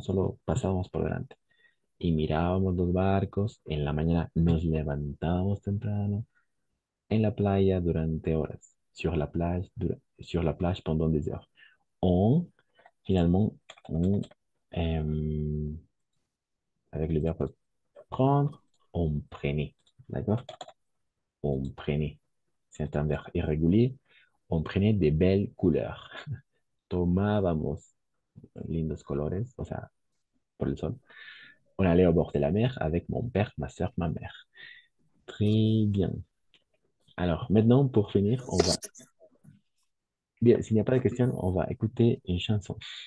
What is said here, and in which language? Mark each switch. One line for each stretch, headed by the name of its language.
Spanish: Solo pasábamos por delante. Y mirábamos los barcos, en la mañana nos levantábamos temprano, en la playa durante horas.
French: Sur la plage, sur la plage pendant des heures. On, finalement, avec le verbe prendre, on prenait. D'accord? On prenait. C'est un verbe irrégulier. On prenait des belles couleurs.
Spanish: Tomábamos lindos colores, o sea, por el sol.
French: On allait au bord de la mer avec mon père, ma soeur, ma mère. Très bien. Alors, maintenant, pour finir, on va. Bien, s'il n'y a pas de questions, on va écouter une chanson.